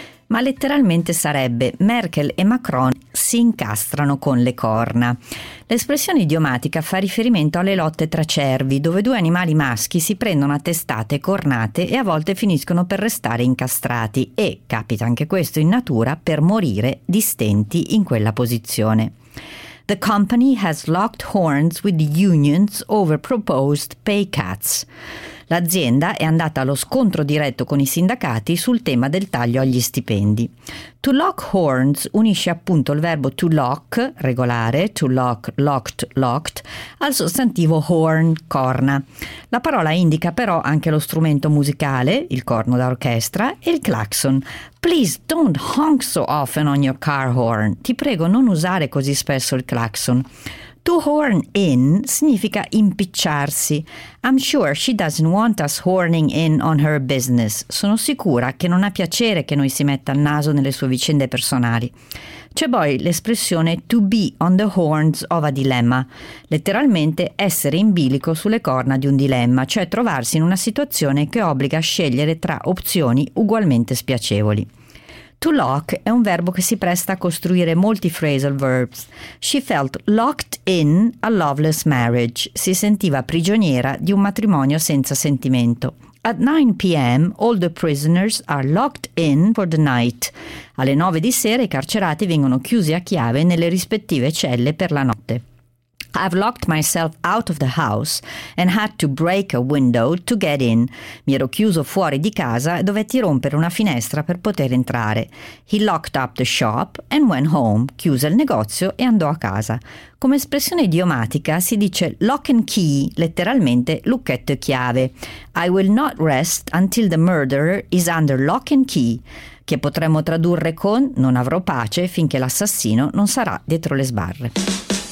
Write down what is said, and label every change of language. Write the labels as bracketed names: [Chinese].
[Italian] Ma letteralmente sarebbe «Merkel e Macron si incastrano con le corna». L'espressione idiomatica fa riferimento alle lotte tra cervi, dove due animali maschi si prendono a testate cornate e a volte finiscono per restare incastrati e, capita anche questo in natura, per morire di stenti in quella posizione. [English] The company has locked horns with the unions over proposed pay cuts. [Italian] L'azienda è andata allo scontro diretto con i sindacati sul tema del taglio agli stipendi. To lock horns unisce appunto il verbo to lock, regolare, to lock, locked, locked, al sostantivo horn, corna. La parola indica però anche lo strumento musicale, il corno d'orchestra, e il clacson. [English] Please don't honk so often on your car horn. [Italian] Ti prego non usare così spesso il clacson. To horn in significa impicciarsi. [English] I'm sure she doesn't want us horning in on her business. [Italian] Sono sicura che non ha piacere che noi si metta il naso nelle sue vicende personali. C'è poi l'espressione to be on the horns of a dilemma. Letteralmente essere in bilico sulle corna di un dilemma, cioè trovarsi in una situazione che obbliga a scegliere tra opzioni ugualmente spiacevoli. To lock è un verbo che si presta a costruire molti phrasal verbs. [English] She felt locked in a loveless marriage. [Italian] Si sentiva prigioniera di un matrimonio senza sentimento. [English] At 9 p.m. all the prisoners are locked in for the night. [Italian] Alle 9 di sera i carcerati vengono chiusi a chiave nelle rispettive celle per la notte. [English] I've locked myself out of the house and had to break a window to get in. [Italian] Mi ero chiuso fuori di casa e dovetti rompere una finestra per poter entrare. [English] He locked up the shop and went home. [Italian] Chiuse il negozio e andò a casa. Come espressione idiomatica si dice lock and key, letteralmente lucchetto e chiave. [English] I will not rest until the murderer is under lock and key. [Italian] Che potremmo tradurre con non avrò pace finché l'assassino non sarà dietro le sbarre.